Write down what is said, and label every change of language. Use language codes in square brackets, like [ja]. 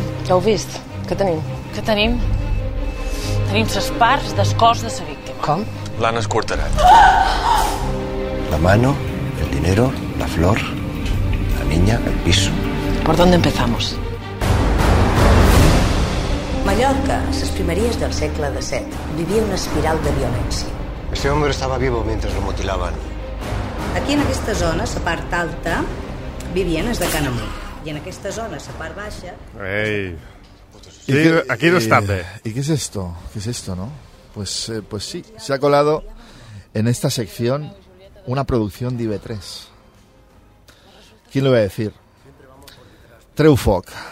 [ca] Ja heu vist? Què tenim? Què tenim? Tenim ses parts del cos de sa víctima. Com? L'han escorterat. [es] La mano, el dinero, la flor, la niña, el piso. ¿Por dónde empezamos? [ca] Mallorca, ses primeries del segle XVII, vivia una espiral de violència. [es] Este hombre estaba vivo mientras lo mutilaban. [ca] Aquí, en aquesta zona, sa part alta, vivien es de Can Amor. Y en aquesta zona, esa part baixa... Ei! Aquí no está bé. [es] ¿Y qué es esto? ¿Qué es esto, no? Pues sí, se ha colado en esta sección una producción de IB3. ¿Quién lo va a decir? Treufoc.